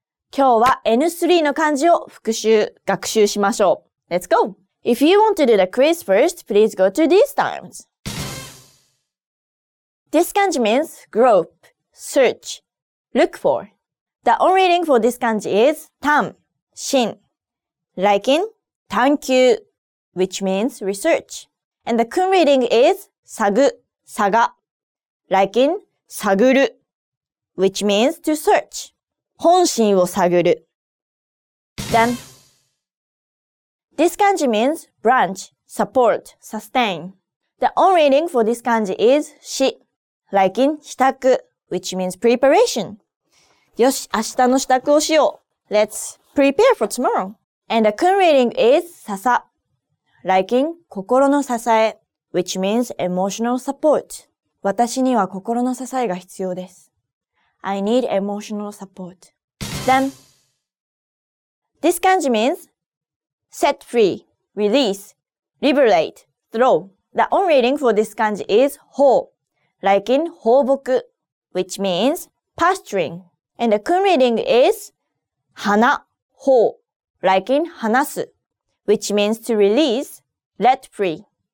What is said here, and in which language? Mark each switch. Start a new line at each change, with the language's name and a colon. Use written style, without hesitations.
Japanese: 今日は N3 の漢字を復習、学習しましょう。
English: Let's go! If you want to do the quiz first, please go to these times. This kanji means grope, search, look for. The on reading for this kanji is tan, shin. Like in tankyu, which means research. And the kun reading is sagu, saga. Like in saguru. Which means to search.
Japanese: 本心を探る。
English: Then, this kanji means branch, support, sustain. The on reading for this kanji is shi, like in shitaku, which means preparation.
Japanese: よし、明日の支度をしよう。
English: Let's prepare for tomorrow. And the kun reading is sasa, like in
Japanese: 心の支え,
English: which means emotional support.
Japanese: 私には心の支えが必要です。
English: I need emotional support. Then, this kanji means set free, release, liberate, throw. The on reading for this kanji is ho, like in hoboku, which means pasturing. And the kun reading is hana, ho, like in hanasu, which means to release, let free.